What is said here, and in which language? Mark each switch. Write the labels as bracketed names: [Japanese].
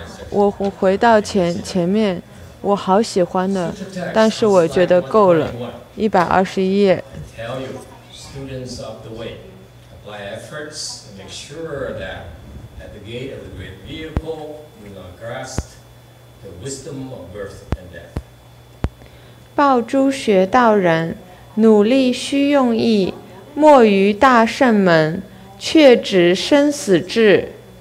[Chinese] 我回到前面，我好喜欢的，但是我觉得够了。 121页。 [English] Tell you, students of the way, apply efforts to make sure that at the gate of the great vehicle you not grasp the wisdom of birth and death. [Chinese] 抱诸学道人，努力须用意，莫于大圣门，却执生死志。